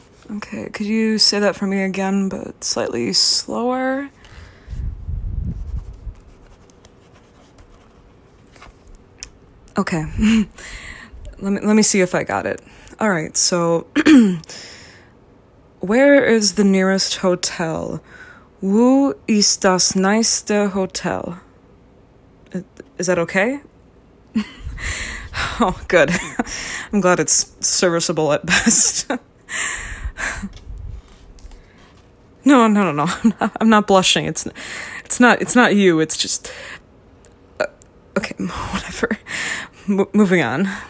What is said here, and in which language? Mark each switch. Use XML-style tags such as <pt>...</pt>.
<en>Okay, could you say that for me again, but slightly slower? Okay. Let me see if I got it. All right, so where is the nearest hotel?</en> <de>Wo ist das nächste Hotel?</de> <en>Is that okay? Oh, good. I'm glad it's serviceable at best. No. I'm not blushing. It's not you. It's just okay, whatever. Moving on.</en>